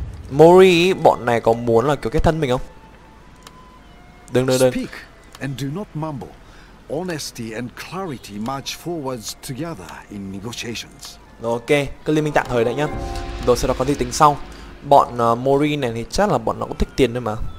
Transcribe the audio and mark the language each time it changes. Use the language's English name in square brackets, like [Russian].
[Vietnamese] Mori, bọn này có muốn là kiểu kết thân mình không? Đừng. [English] And do not mumble. Honesty and clarity march forwards together in negotiations. [Vietnamese] Ok, cứ liên minh tạm thời đấy nhá. Rồi sau đó có gì tính sau. Bọn Mori này thì chắc là bọn nó cũng thích tiền thôi mà.